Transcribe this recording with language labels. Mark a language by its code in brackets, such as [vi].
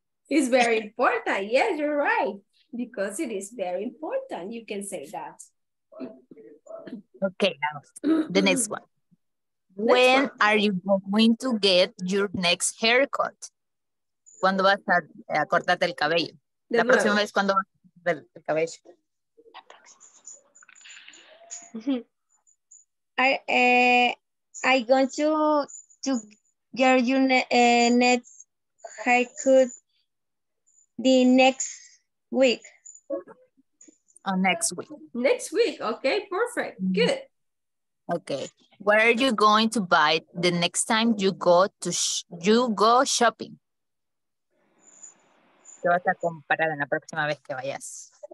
[en] It's very important. Yeah, you're right. Because it is very important, you can say that. Okay, now the next one. Are you going to get your next haircut? [es] ¿Cuándo vas a cortarte el cabello? La próxima vez, ¿cuándo vas a cortarte el cabello? [en] I going to get your next haircut the next week. Next week. Okay, perfect. Good. Okay. What are you going to buy the next time you go to go shopping? [es] ¿Qué vas a comprar en la próxima vez que vayas?